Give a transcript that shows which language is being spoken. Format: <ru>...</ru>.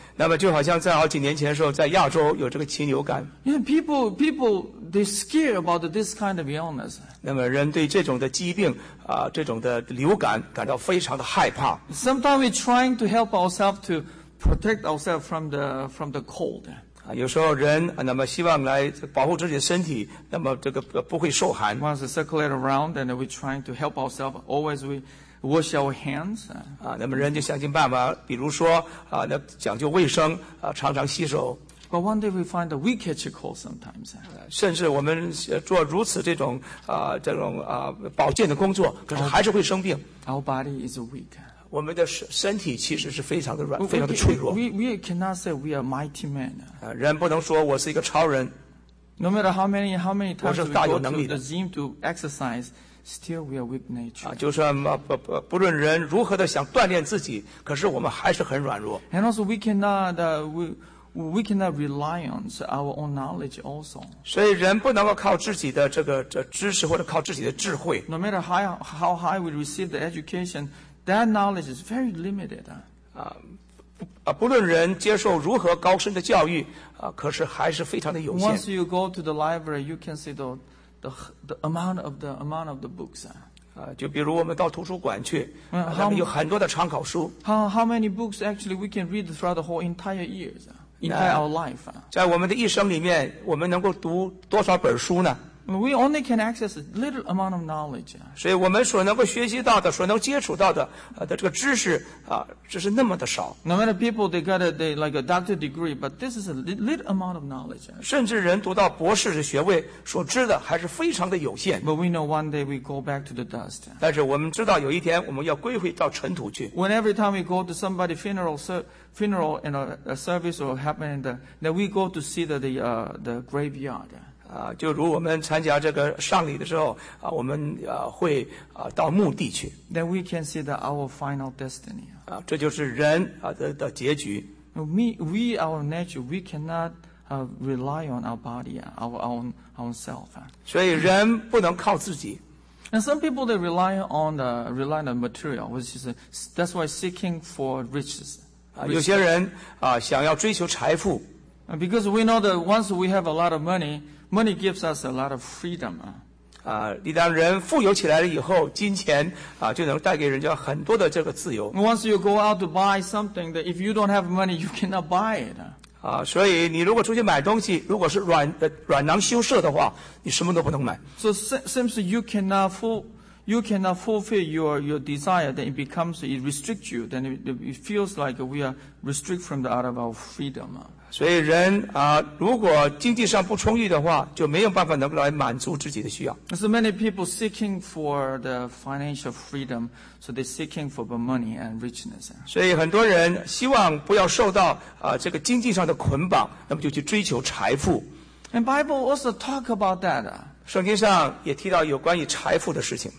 <zh>那么就好像在好几年前的时候，在亚洲有这个禽流感。</zh> <en>Yeah, people they're scared about this kind of illness.</en> <zh>那么人对这种的疾病这种的流感感到非常的害怕。</zh> <en>Sometimes we're trying to help ourselves to protect ourselves from the cold.</en> <zh>有时候人那么希望来保护自己的身体，那么这个不会受寒。</zh> <en>Once we circulate around and we're trying to help ourselves, always we wash our hands.</en> <zh>那么人就想尽办法，比如说那讲究卫生常常洗手。</zh> <en>But one day we find that we catch a cold sometimes.</en> <zh>甚至我们做如此这种保健的工作，可是还是会生病。</zh> <en>Our body is weak.</en> <zh>我们的身体其实是非常的软，非常的脆弱。</zh> <en>We cannot say we are mighty man.</en> <zh>人不能说我是一个超人。</zh> <en>No matter how many times we go to the gym to exercise, still we are weak nature.</en> <zh>就算不论人如何的想锻炼自己，可是我们还是很软弱。</zh> <en>And also we cannot We cannot rely on our own knowledge also.</en> <zh>所以人不能够靠自己的这个知识或者靠自己的智慧。</zh> <en>No matter how high we receive the education, that knowledge is very limited.</en> <zh>不论人接受如何高深的教育，可是还是非常的有限。</zh> <en>Once you go to the library, you can see the amount of the books.</en> <zh>就比如我们到图书馆去，那么有很多的参考书。</zh> <en>How many books actually we can read throughout the whole entire years? Entire our life.</en> <zh>在我们的一生里面，我们能够读多少本书呢</zh> <en>？We only can access a little amount of knowledge.</en> <zh>所以我们所能够学习到的，所能接触到的这个知识这是那么的少。</zh> <en>No matter people they got they like a doctor degree, but this is a little amount of knowledge.</en> <zh>甚至人读到博士的学位，所知的还是非常的有限。</zh> <en>But we know one day we go back to the dust.</en> <zh>但是我们知道有一天我们要归回到尘土去。</zh> <en>When every time we go to somebody's funeral, funeral and a service will happen that we go to see the graveyard.</en> <zh>就如我们参加这个丧礼的时候我们会到墓地去。</zh> <en>Then we can see that our final destiny.</en> <zh>这就是人的结局。</zh> <en>We our nature, we cannot rely on our body, our own self.</en> <zh>所以人不能靠自己。</zh> <en>And some people they rely on the material, which is that's why seeking for riches.</en> <zh>有些人想要追求财富。</zh> <en>Because we know that once we have a lot of money, money gives us a lot of freedom.</en> <zh>一旦人富有起来了以后，金钱就能带给人家很多的这个自由。</zh> <en>Once you go out to buy something, that if you don't have money, you cannot buy it.</en> <zh>所以你如果出去买东西，如果是软囊羞涩的话，你什么都不能买。</zh> <en>So seems you cannot fulfill your desire, then it restricts you, then it feels like we are restricted from the out of our freedom.</en> <zh>所以人如果经济上不充裕的话，就没有办法能够来满足自己的需要。</zh> <en>So many people seeking for the financial freedom, so they're seeking for the money and richness.</en> <zh>所以很多人希望不要受到这个经济上的捆绑，那么就去追求财富。</zh> <en>And Bible also talk about that.</en> <zh>圣经上也提到有关于财富的事情。</zh>